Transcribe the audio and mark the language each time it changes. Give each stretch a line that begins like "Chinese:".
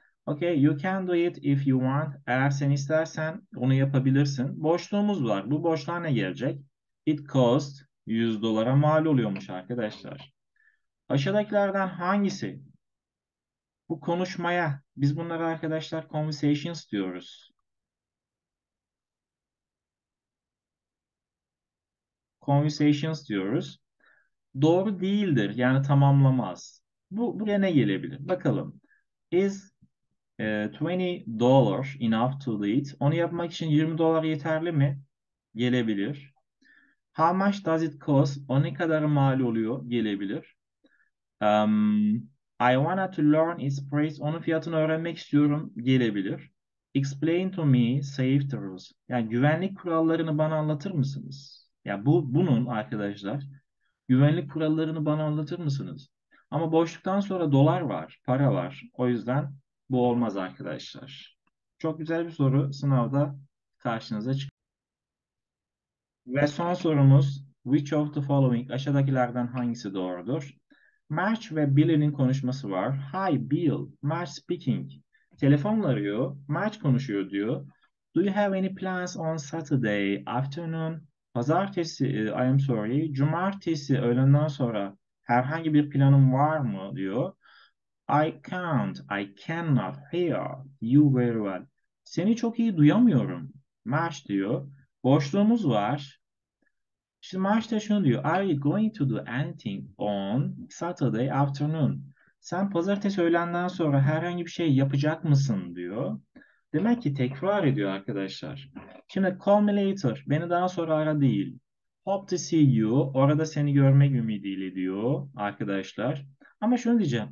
English: Okay, you can do it if you want.
Turkish: Eğer sen istersen onu yapabilirsin. Boşluğumuz var. Bu boşluğa ne gelecek?
English: It cost
Turkish: 100 dolara mal oluyormuş arkadaşlar. Aşağıdakilerden hangisi? Bu konuşmaya biz bunları arkadaşlar conversations diyoruz. Conversations diyoruz. Doğru değildir. Yani tamamlamaz. Bu buraya ne gelebilir? Bakalım.
English: Is $20 enough to eat?
Turkish: Onu yapmak için 20 dolar yeterli mi? Gelebilir.
English: How much does it cost?
Turkish: O ne kadar mal oluyor? Gelebilir.
English: I wanted to learn its price.
Turkish: Onun fiyatını öğrenmek istiyorum. Gelebilir.
English: Explain to me safety rules.
Turkish: Yani güvenlik kurallarını bana anlatır mısınız? Ya yani bunun arkadaşlar güvenlik kurallarını bana anlatır mısınız? Ama boşluktan sonra dolar var, para var. O yüzden bu olmaz arkadaşlar. Çok güzel bir soru sınavda karşınıza çıkıyor. Ve son sorumuz,
English: which of the following
Turkish: aşağıdakilerden hangisi doğrudur? Marge ve Billy'nin konuşması var.
English: Hi Bill, Marge speaking.
Turkish: Telefonla arıyor, Marge konuşuyor diyor.
English: Do you have any plans on Saturday afternoon?
Turkish: Pazartesi,
English: I am sorry,
Turkish: cumartesi öğlenden sonra herhangi bir planın var mı diyor.
English: I can't, I cannot hear you very well.
Turkish: Seni çok iyi duyamıyorum, Marge diyor. Boşluğumuz var. Şimdi Marge da şunu diyor.
English: Are you going to do anything on Saturday afternoon?
Turkish: Sen pazartesi öğlenden sonra herhangi bir şey yapacak mısın diyor. Demek ki tekrar ediyor arkadaşlar. Şimdi
English: call me later.
Turkish: Beni daha sonra ara değil.
English: Hope to see you.
Turkish: Orada seni görmek ümidiyle diyor arkadaşlar. Ama şunu diyeceğim.